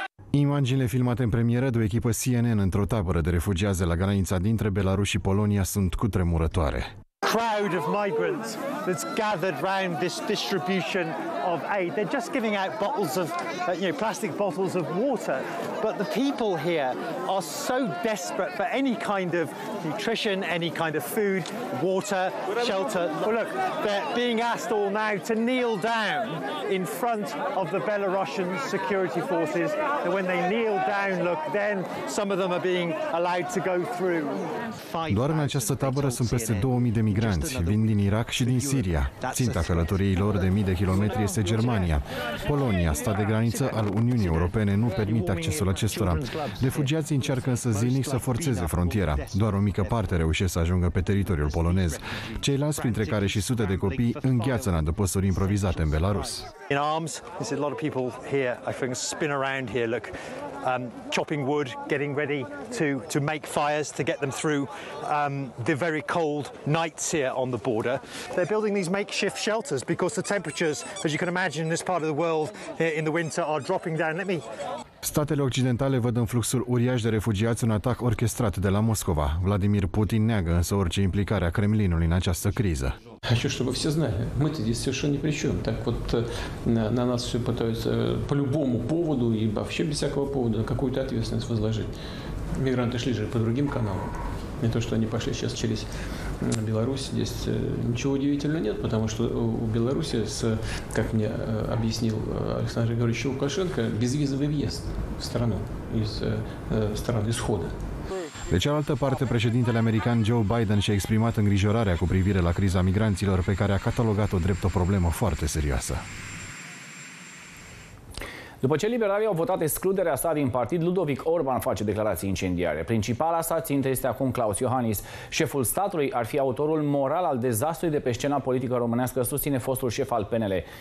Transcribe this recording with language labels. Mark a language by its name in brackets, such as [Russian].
[Romanian] Imaginile filmate în premieră de o echipă CNN într-o tabără de refugiați de la granița dintre Belarus și Polonia sunt cutremurătoare. [English] Crowd of migrants that's gathered round this distribution of aid. They're just giving out bottles of, you know, plastic bottles of water. But the people here are so desperate for any kind of nutrition, any kind of food, water, shelter. Well, look, they're being asked all now to kneel down in front of the Belarusian security forces. And when they kneel down, look, then some of them are being allowed to go through. [Romanian] Doar în această tabără sunt peste 2000 de migranți, vin din Irak și din Siria. Ținta călătoriei lor de mii de kilometri este Germania. Polonia, stat de graniță al Uniunii Europene, nu permite accesul acestora. Refugiații încearcă însă zilnic să forțeze frontiera. Doar o mică parte reușește să ajungă pe teritoriul polonez. Ceilalți, printre care și sute de copii, îngheață în adăposturi improvizate în Belarus. [English] In arms, there's a lot of people here, I think, spin around here, look, chopping wood, getting ready to make fires to get them through the very cold nights here on the border. They're building these makeshift shelters because the temperatures, as you can imagine, in this part of the world in the winter are dropping down. Let me... [Romanian] Statele occidentale văd în fluxul uriaș de refugiați un atac orchestrat de la Moscova. Vladimir Putin neagă însă orice implicare a Kremlinului în această criză. [Russian] Хочу, чтобы все знали, мы-то здесь совершенно ни при чем. Так вот на нас все пытаются по любому поводу и вообще без всякого повода какую-то ответственность возложить. Мигранты шли же по другим каналам. Не то, что они пошли сейчас через Беларусь. Здесь ничего удивительного нет, потому что у Беларуси, как мне объяснил Александр Григорьевич Лукашенко, безвизовый въезд в страну из стран исхода. [Romanian] De cealaltă parte, președintele american Joe Biden și-a exprimat îngrijorarea cu privire la criza migranților, pe care a catalogat-o drept o problemă foarte serioasă. După ce liberalii au votat excluderea sa din partid, Ludovic Orban face declarații incendiare. Principala sa țintă este acum Klaus Iohannis. Șeful statului ar fi autorul moral al dezastrului de pe scena politică românească, susține fostul șef al PNL.